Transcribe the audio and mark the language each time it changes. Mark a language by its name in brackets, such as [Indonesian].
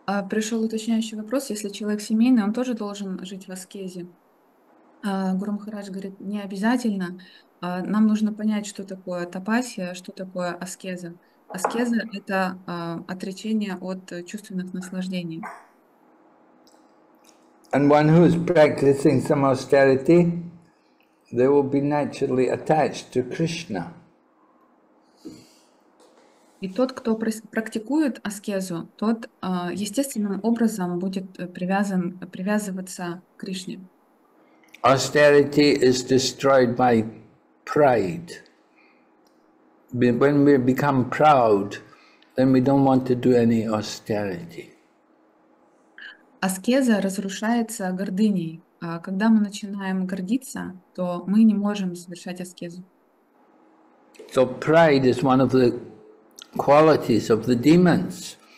[Russian] Пришел уточняющий вопрос. Если человек семейный, он тоже должен жить в аскезе? Гуру Махарадж говорит, не обязательно. Нам нужно понять, что такое тапасья, что такое аскеза. Аскеза — это отречение от чувственных наслаждений. [English] And one who is practicing some austerity, they will be naturally attached to Krishna. [Russian] И тот, кто практикует аскезу, тот естественным образом будет привязываться к Кришне. [English] Austerity is destroyed by pride. When we become proud, then we don't want to do any austerity. [Russian] Аскеза разрушается гордыней. Когда мы начинаем гордиться, то мы не можем совершать аскезу. [English] So pride is one of the qualities of the demons.